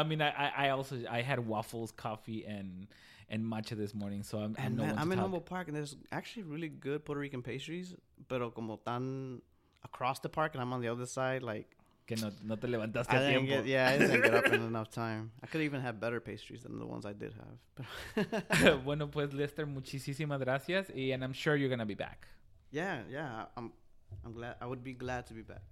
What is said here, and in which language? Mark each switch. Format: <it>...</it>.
<en>I mean, I also had waffles, coffee, and matcha this morning. So I'm in Humboldt Park, and there's actually really good Puerto Rican pastries,</en> <es>pero como tan</es> <en>across the park, and I'm on the other side, like. I didn't get up in enough time. I could even have better pastries than the ones I did have.</en> <es>Bueno, pues, Lester, muchísimas gracias.</es> <en>And I'm sure you're going to be back. Yeah. I'm glad. I would be glad to be back.</en>